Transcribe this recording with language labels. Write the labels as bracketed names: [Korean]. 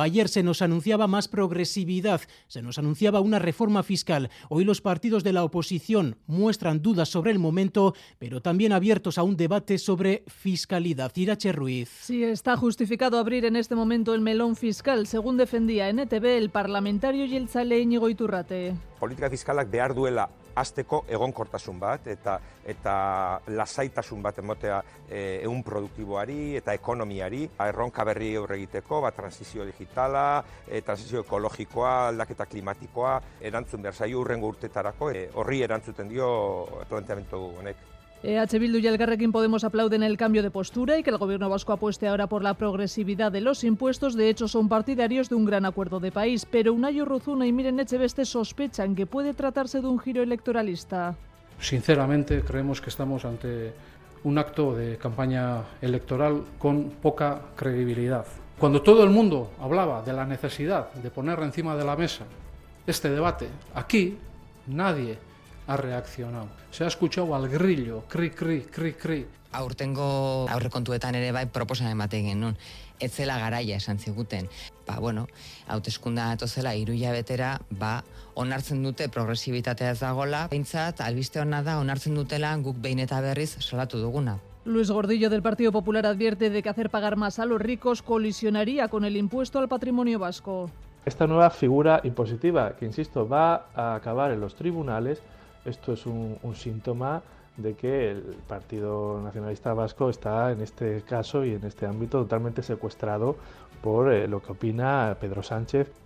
[Spanish] Ayer se nos anunciaba más progresividad, se nos anunciaba una reforma fiscal. Hoy los partidos de la oposición muestran dudas sobre el momento, pero también abiertos a un debate sobre fiscalidad. Irache Ruiz. Sí, está justificado abrir en este momento el melón fiscal, según defendía en ETV el parlamentario yeltzale Iñigo Iturrate. [Basque] Politika fiskalak behar duela hasteko egonkortasun bat eta lasaitasun bat emotea ehun produktiboari eta ekonomiari. Erronka berri aurre egiteko, transizio digitala, transizio ekologikoa, aldaketa klimatikoa, erantzun behar zaio urrengo urtetarako, horri erantzuten dio planteamendu honek. [Spanish] EH Bildu y Elkarrekin Podemos aplauden el cambio de postura y que el gobierno vasco apueste ahora por la progresividad de los impuestos. De hecho, son partidarios de un gran acuerdo de país. Pero Unai Urruzuno y Miren Etxebeste sospechan que puede tratarse de un giro electoralista. Sinceramente, creemos que estamos ante un acto de campaña electoral con poca credibilidad. Cuando todo el mundo hablaba de la necesidad de poner encima de la mesa este debate, aquí nadie ha reaccionado. Se ha escuchado al grillo, cri, cri, cri, cri. [Basque] Aurtengo aurrekontuetan ere bai proposamen bat egin genuen. Ez zela garaia esan ziguten. Ba, bueno, hauteskunda atozela hiru hilabetera, ba, onartzen dute progresibitatea ez dagoela. Beintzat, albiste ona da, onartzen dutela guk behin eta berriz salatu duguna. [Spanish] Luis Gordillo del Partido Popular advierte de que hacer pagar más a los ricos colisionaría con el impuesto al patrimonio vasco. Esta nueva figura impositiva, que insisto, va a acabar en los tribunales, esto es un síntoma de que el Partido Nacionalista Vasco está en este caso y en este ámbito totalmente secuestrado por lo que opina Pedro Sánchez.